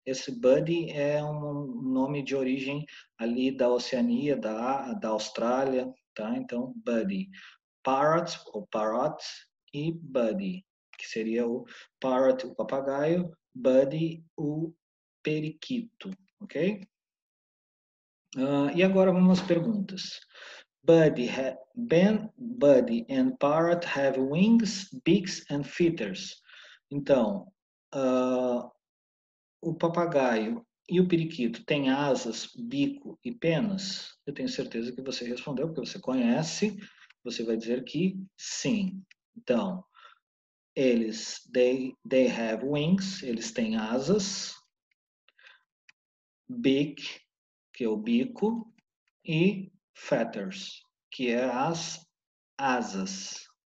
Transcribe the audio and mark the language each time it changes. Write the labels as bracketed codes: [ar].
[pt] Esse buddy é um nome de origem ali da Oceania, da Austrália, tá? Então, buddy. Parrot, ou parrot, e buddy, que seria o parrot, o papagaio, buddy, o periquito, ok? E agora vamos às perguntas. [en] Buddy and parrot have wings, beaks and feathers. [pt] Então, o papagaio e o periquito têm asas, bico e penas? Eu tenho certeza que você respondeu, porque você conhece. Você vai dizer que sim. Então, [en] they have wings, [pt] eles têm asas, beak, que é o bico, e feathers, que é as asas.